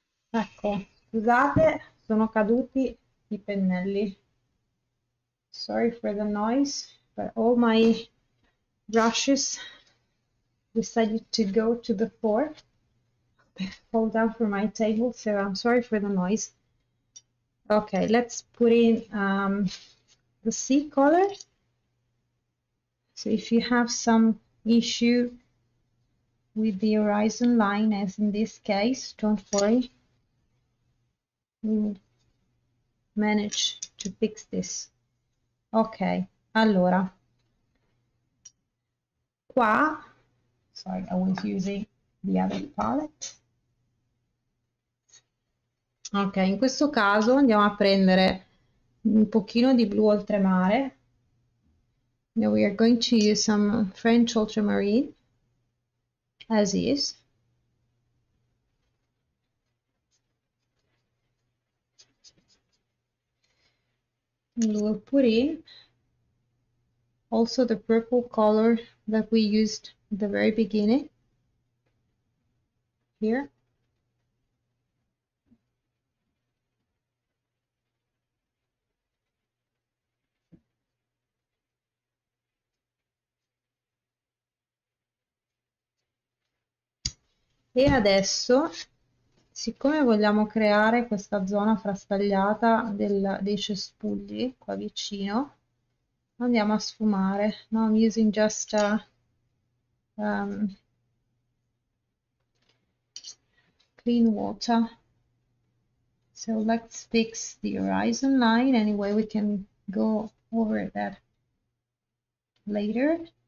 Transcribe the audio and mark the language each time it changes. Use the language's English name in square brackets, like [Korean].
[Italian] Ecco, scusate, sono caduti i pennelli. [English] Sorry for the noise, but all my brushes decided to go to the floor. Fall down from my table, so I'm sorry for the noise. Okay, let's put in the sea color. So if you have some issue with the horizon line, as in this case, don't worry. We'll manage to fix this. [Italian] Okay, allora. Qua, [English] sorry, I was using the other palette. [Italian] Ok, in questo caso andiamo a prendere un pochino di blu oltremare. [English] Now we are going to use some French ultramarine as is. We'll put in also the purple color that we used at the very beginning here. [Italian] E adesso, siccome vogliamo creare questa zona frastagliata dei cespugli qua vicino, andiamo a sfumare. [English] No, I'm using just clean water. So let's fix the horizon line. Anyway, we can go over that later.